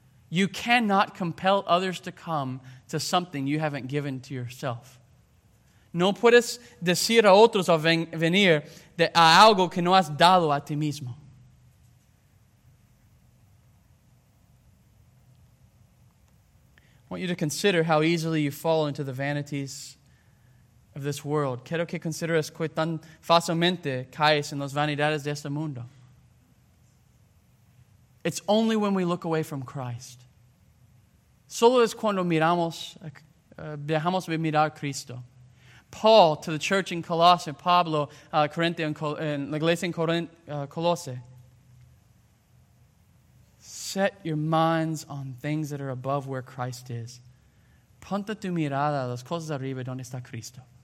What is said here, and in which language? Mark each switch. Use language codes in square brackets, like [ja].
[en] You cannot compel others to come to something you haven't given to yourself. [es] No puedes decir a otros a venir de a algo que no has dado a ti mismo. [en] I want you to consider how easily you fall into the vanities of this world. [es] Quiero que consideres que tan fácilmente caes en las vanidades de este mundo. [en] It's only when we look away from Christ. [es] Solo es cuando miramos, dejamos de mirar a Cristo. [en] Paul, to the church in Colossae, [es] Pablo, Corinthians, en la iglesia en Colossae. [en] Set your minds on things that are above where Christ is. [es] Ponte tu mirada a las cosas arriba donde está Cristo.